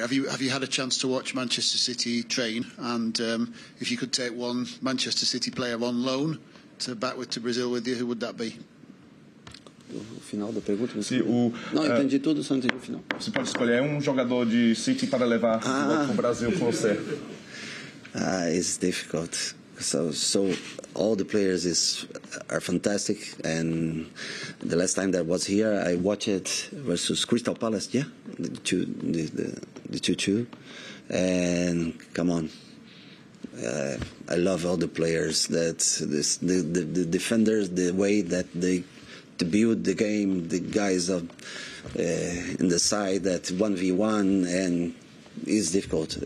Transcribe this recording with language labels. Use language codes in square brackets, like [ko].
[en] Have you had a chance to watch Manchester City train? And if you could take one Manchester City player on loan to back with to Brazil with you, who would that be? [pt] O final da pergunta. Se o, não, entendi tudo, só entendi o final. Você pode escolher um jogador de City para levar para o Brasil com você. [en] It's difficult. So all the players are fantastic, and the last time that was here, I watched it versus Crystal Palace, yeah, the two, and come on, I love all the players, that this the defenders, the way that they to build the game, the guys of in the side, that 1v1, and it's difficult.